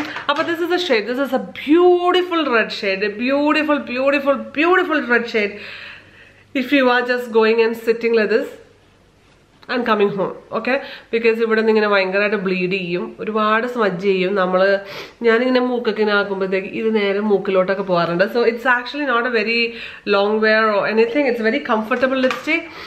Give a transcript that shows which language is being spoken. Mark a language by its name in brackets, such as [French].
[English] അപ്പൊ this is a shade, this is a beautiful red shade, beautiful beautiful beautiful red shade. If you are just going and sitting like this, I'm coming home, okay? [Malayalam] Because ഇവിടെ നിന്ന് ഇങ്ങനെ ഭയങ്കരമായിട്ട് bleed ചെയ്യും, ഒരുപാട് smudge ചെയ്യും. നമ്മൾ ഞാനിങ്ങനെ മൂക്കൊക്കെ ആക്കുമ്പോഴത്തേക്ക് ഇത് നേരെ മൂക്കിലോട്ടൊക്കെ പോകാറുണ്ട്. [English] So it's actually not a very long wear or anything, it's very comfortable lipstick.